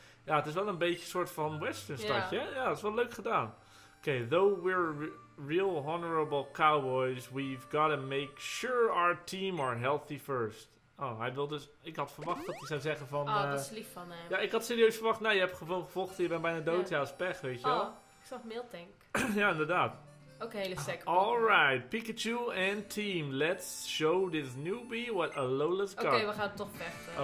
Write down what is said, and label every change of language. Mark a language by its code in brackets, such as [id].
[nl] Ja, het is wel een beetje soort van western stadje. Ja, het is wel leuk gedaan. [en] Okay, though we're real honorable cowboys, we've got to make sure our team are healthy first. [nl] Oh, hij wil dus... Ik had verwacht dat hij zou zeggen van... Oh, dat is lief van hem. Ja, ik had serieus verwacht. Nou, je hebt gewoon gevochten, je bent bijna dood. Ja, dat is pech, weet je wel. Oh. Ik zag Miltank. Ja, inderdaad. Ook een hele sec. [en] Alright, Pikachu and team. Let's show this newbie what Alola's got. [nl] Oké, we gaan toch vechten.